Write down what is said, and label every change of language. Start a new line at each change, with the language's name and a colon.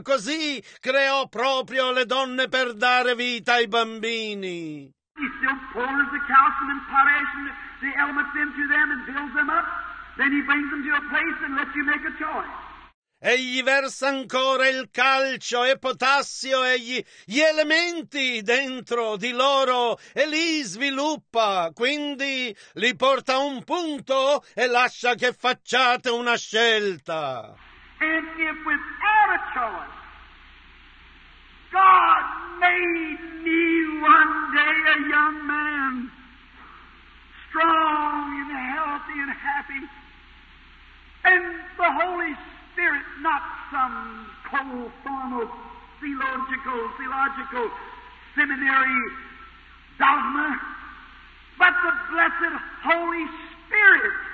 Italian: Così creò proprio le donne per dare vita ai bambini.
English: He still pours the calcium and potash and the elements into them and builds them up. Then he brings them to a place and lets you make a choice.
Italian: Egli versa ancora il calcio e potassio e gli elementi dentro di loro e li sviluppa. Quindi li porta a un punto e lascia che facciate una scelta.
English: And if without a choice, God made me one day a young man, strong and healthy and happy, and the Holy Spirit, not some cold, formal, theological, seminary dogma, but the blessed Holy Spirit.